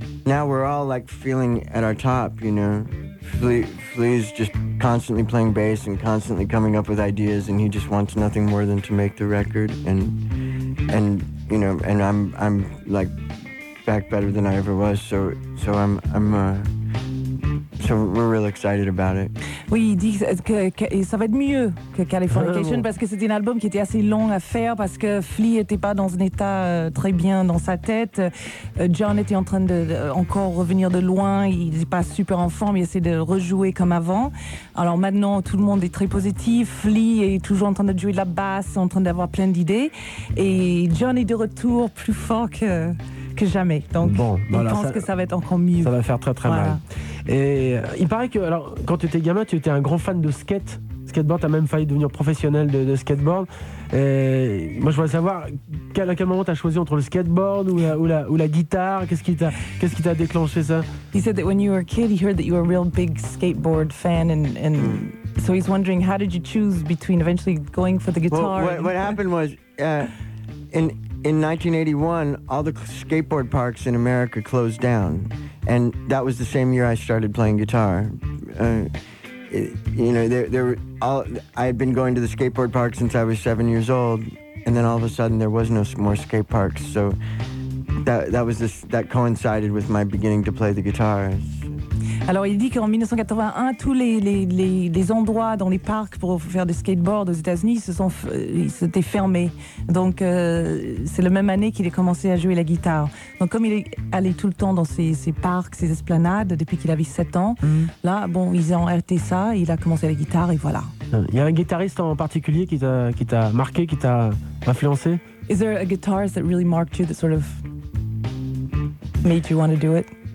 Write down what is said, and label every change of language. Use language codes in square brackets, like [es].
[en] Now we're all like feeling at our top. You know, Flea's just constantly playing bass and constantly coming up with ideas, and he just wants nothing more than to make the record. And you know, and I'm like back better than I ever was. So we're real excited about it. [fr] Oui, il dit que ça va être mieux que Californication parce que c'était un album qui était assez long à faire parce que Flea n'était pas dans un état très bien dans sa tête. John était en train de encore revenir de loin. Il n'est pas super en forme. Il essaie de rejouer comme avant. Alors maintenant, tout le monde est très positif. Flea est toujours en train de jouer de la basse, en train d'avoir plein d'idées. Et John est de retour plus fort que jamais. Donc, il pense que ça va être encore mieux. Ça va faire très, très mal. Et il paraît que, alors, quand tu étais gamin, tu étais un grand fan de skateboard, tu as même failli devenir professionnel de skateboard. Et moi, je voulais savoir à quel moment tu as choisi entre le skateboard ou la guitare. Qu'est-ce qui t'a déclenché ça? [en] He said that when you were a kid, he heard that you were a real big skateboard fan, and so he's wondering how did you choose between eventually going for the guitar. Well, what happened was, in 1981, all the skateboard parks in America closed down. And that was the same year I started playing guitar. I had been going to the skateboard park since I was 7 years old, and then all of a sudden there was no more skate parks. So that coincided with my beginning to play the guitar. [fr] Alors il dit qu'en 1981, tous les endroits dans les parcs pour faire du skateboard aux États-Unis s'étaient fermés. Donc c'est la même année qu'il a commencé à jouer la guitare. Donc comme il est allé tout le temps dans ses parcs, ses esplanades, depuis qu'il avait 7 ans, là, bon, ils ont arrêté ça, il a commencé la guitare et voilà. Il y a un guitariste en particulier qui t'a marqué, qui t'a influencé? [en] Is there a guitarist that really marked you, that sort of made you want to do it?